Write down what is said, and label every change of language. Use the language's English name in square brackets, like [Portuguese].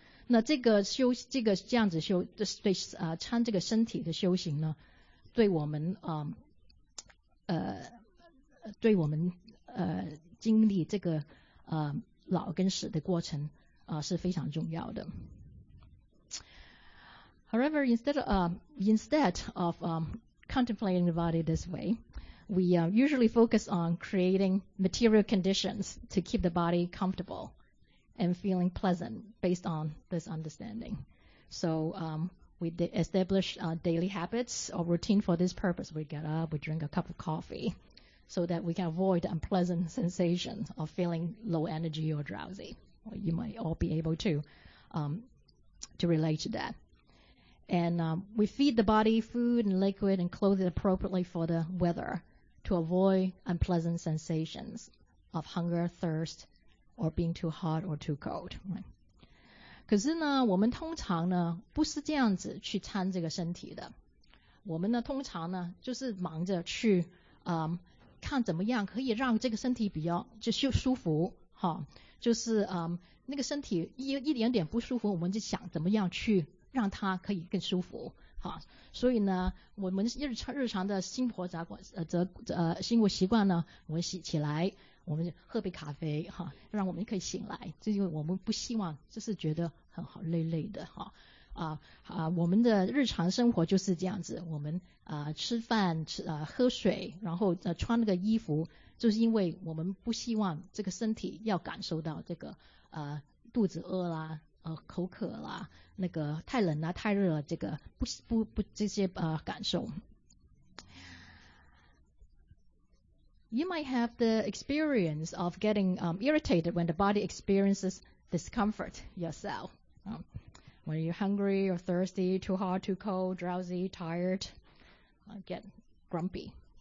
[Chinese] 那这个修这个这样子修对参这个身体的修行呢，对我们经历这个老跟死的过程是非常重要的。 [English] However, instead of contemplating the body this way, we usually focus on creating material conditions to keep the body comfortable and feeling pleasant based on this understanding. So we establish daily habits or routine for this purpose. We get up, we drink a cup of coffee so that we can avoid unpleasant sensations of feeling low energy or drowsy. Well, you might all be able to relate to that. And we feed the body food and liquid and clothe it appropriately for the weather to avoid unpleasant sensations of hunger, thirst, or being too hot or too cold. Right? [Chinese] 可是呢，我们通常呢不是这样子去参这个身体的。我们呢通常呢就是忙着去看怎么样可以让这个身体比较就舒服哈，就是那个身体一点点不舒服，我们就想怎么样去让它可以更舒服哈。所以呢我们日常的生活生活习惯呢，我们起来我们喝杯咖啡哈，让我们可以醒来，就因为我们不希望就是觉得很好累累的哈。我们的日常生活就是这样子，我们吃饭喝水，然后穿那个衣服，就是因为我们不希望这个身体要感受到这个肚子饿啦口渴啦那个太冷啦太热啦这个不这些感受。 [English] You might have the experience of getting irritated when the body experiences discomfort yourself. When you're hungry or thirsty, too hot, too cold, drowsy, tired, get grumpy.